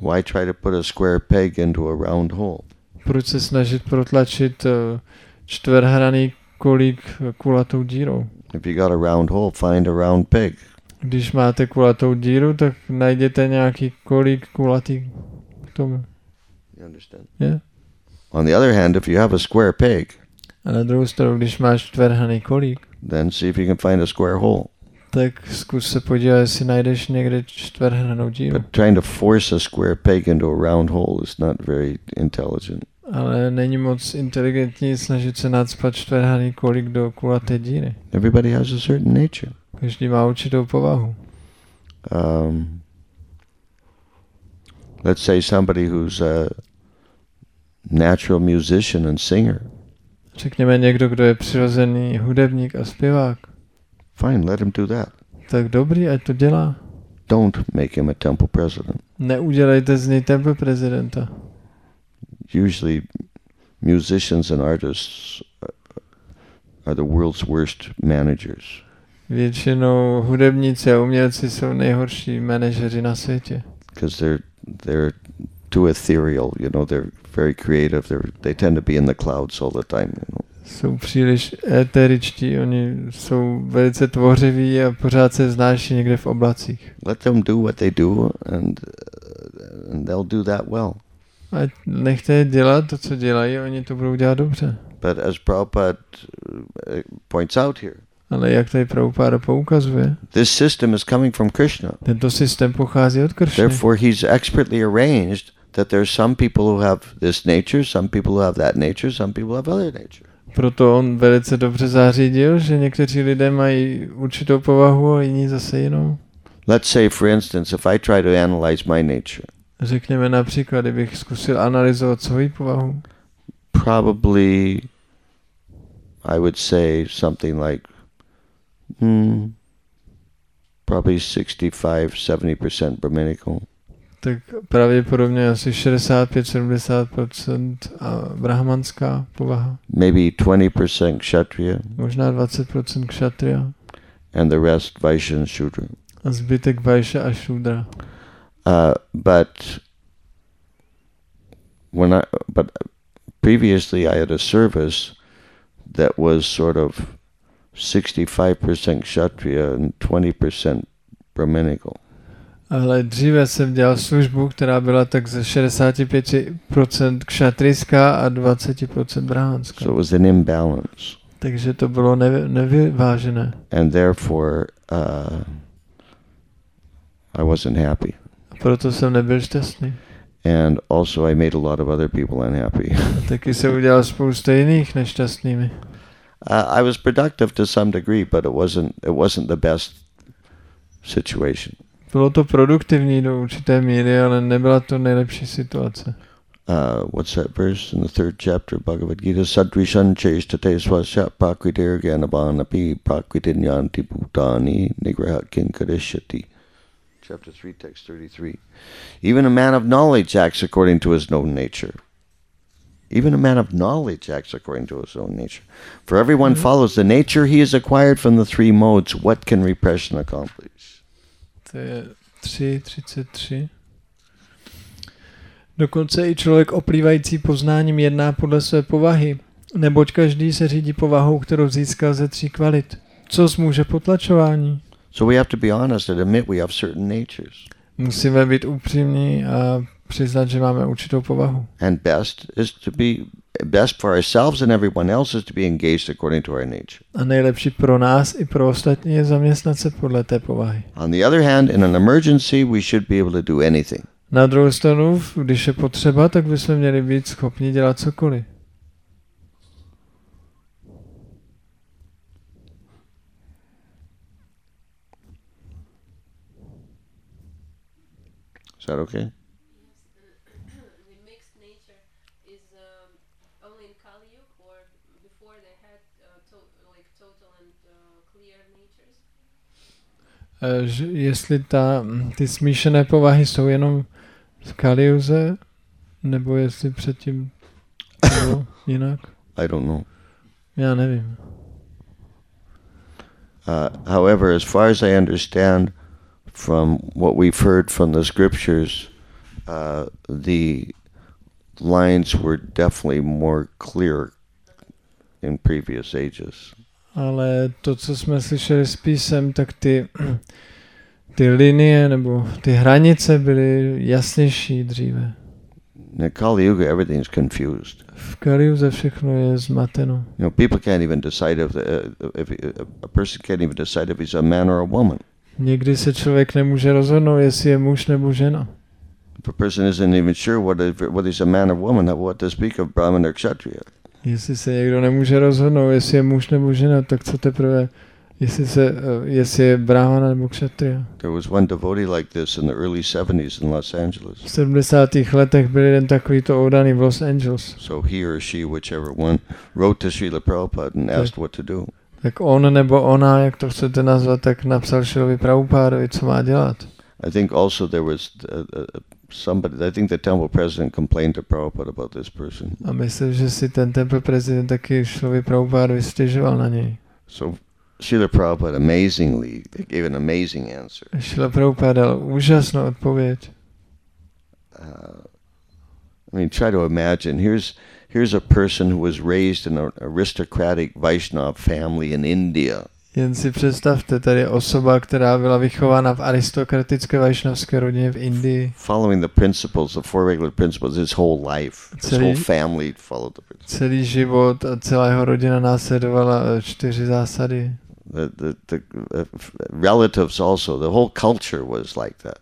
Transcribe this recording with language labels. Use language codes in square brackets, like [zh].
[en] Why try to put a square peg into a round hole? [cs] Proč se snažit protlačit čtverhraný kolík kulatou dírou? [en] If you got a round hole, find a round peg. [cs] Když máte kulatou díru, tak najděte nějaký kolík kulatý k tomu. [en] You understand? Yeah. On the other hand, if you have a square peg. [cs] A na druhou stranu, když máš čtverhraný kolík. [en] Then see if you can find a square hole. [cs] Tak zkus se podívat, jestli najdeš někde čtverhranou díru. [en] But trying to force a square peg into a round hole is not very intelligent. [cs] Ale není moc inteligentní snažit se nacpat čtverhraný kolik do kulaté díry. [en] Everybody has a certain nature. [cs] Každý má určitou povahu. [en] Let's say somebody who's a natural musician and singer. [cs] Řekněme někdo, kdo je přirozený hudebník a zpěvák. [en] Fine, let him do that. [cs] Tak dobrý, ať to dělá. [en] Don't make him a temple president. [cs] Neudělejte z něj temple prezidenta. [en] Usually musicians and artists are the world's worst managers. [cs] Většinou hudebníci a umělci jsou nejhorší manažeři na světě. [en] Because they're too ethereal, you know, they're very creative, they tend to be in the clouds all the time, you know. [cs] Jsou příliš eteričtí, oni jsou velice tvořiví a pořád se znáší někde v oblacích. [en] Let them do what they do and they'll do that well. [cs] A nechte je dělat to, co dělají, oni to budou dělat dobře. [en] But as Prabhupada points out here. [cs] Ale jak tady Prabhupada poukazuje? [en] This system is coming from Krishna. [cs] Tento systém pochází od Krishny. [en] Therefore he's expertly arranged that there's some people who have this nature, some people who have that nature, some people have other nature. [cs] Proto on velice dobře zařídil, že někteří lidé mají určitou povahu a jiní zase jinou. [en] Let's say for instance if I try to analyze my nature. [cs] Řekněme například, kdybych zkusil analyzovat svou povahu. [en] Probably I would say something like probably 65-70% brahminical. [cs] Tak pravděpodobně asi 65-70% brahmanská povaha. [en] Maybe 20% kshatriya. [cs] Možná 20% kshatriya. [en] And the rest vaishya and shudra. [cs] A zbytek vaishya a shudra. [en] But previously I had a service that was sort of 65% kshatriya and 20% brahminical. [cs] Ale dříve jsem dělal službu, která byla tak ze 65% kšatriska a 20% brahmanská. [en] So it was an imbalance. [cs] Takže to bylo nevyvážené. [en] And therefore I wasn't happy. [cs] Proto jsem nebyl šťastný. [en] And also I made a lot of other people unhappy. [cs] Taky jsem udělal spoustu jiných nešťastnými. [en] I was productive to some degree, but it wasn't the best situation. [cs] Bylo to produktivní do určité míry, ale nebyla to nejlepší situace. [en] What's that verse in the third chapter of Bhagavad Gita? [sa] Sadrishan chaste swasya prakritir gyanabhanapi prakritinyanti bhutani nigraha kin karishyati. [en] Chapter 3, text 33. Even a man of knowledge acts according to his known nature. Even a man of knowledge acts according to his own nature. For everyone follows the nature he has acquired from the three modes. What can repression accomplish? [cs] To je 3.33. Dokonce i člověk oplývající poznáním jedná podle své povahy, neboť každý se řídí povahou, kterou získal ze tří kvalit. Co zmůže potlačování? [en] So we have to be honest and admit we have certain natures. [cs] Musíme být upřímní a přiznat, že máme určitou povahu. [en] And best is to be best for ourselves and everyone else is to be engaged according to our nature. [cs] A nejlepší pro nás i pro ostatní je zaměstnat se podle té povahy. [en] On the other hand, in an emergency, we should be able to do anything. [cs] Na druhou stranu, když je potřeba, tak bychom měli být schopni dělat cokoliv. [en] Is that okay? The mixed nature is only in Kali Yuga, or before they had total and clear natures. [cs] Jestli ty smíšené povahy jsou jenom v Kali Yuze, nebo jestli předtím bylo jinak? [en] I don't know. [cs] Já nevím. [en] However, as far as I understand, from what we've heard from the scriptures, the lines were definitely more clear in previous ages. [cs] Ale to, co jsme slyšeli z písem, tak ty linie nebo ty hranice byly jasnější dříve. [en] Na Kali Yuga everything's confused. [cs] V Kali Yuze všechno je zmateno. [en] You know, people can't even decide if a person can't even decide if he's a man or a woman. [cs] Někdy se člověk nemůže rozhodnout, jestli je muž nebo žena. [en] A person isn't even sure what is a man or woman, what to speak of Brahman or Kshatriya. [cs] Jestli se někdo nemůže rozhodnout, jestli je muž nebo žena, tak co teprve, jestli je Brahman nebo Kshatriya. [en] There was one devotee like this in the early 70s in Los Angeles. [cs] V 70. letech byl jeden takovýto oddaný v Los Angeles. [en] So he or she, whichever one, wrote to Srila Prabhupada and asked what to do. [cs] Tak on nebo ona, jak to chcete nazvat, tak napsal Šilovi Prabhupádovi, co má dělat. [en] I think also there was somebody, I think the temple president complained to Prabhupada about this person. [cs] A myslím, že si ten temple president taky Šilovi Prabhupádovi stěžoval na něj. [en] So Srila Prabhupada amazingly gave an amazing answer. [cs] Šila Prabhupáda dal úžasnou odpověď. [en] I mean, try to imagine, here's a person who was raised in an aristocratic Vaishnav family in India. [cs] Jen si představte, tady je osoba, která byla vychována v aristokratické vaishnavské rodině v Indii. [en] Following the principles, the four regular principles, his whole life, his whole family followed the principles. [cs] Celý život a celá jeho rodina následovala čtyři zásady. [en] The relatives also, the whole culture was like that.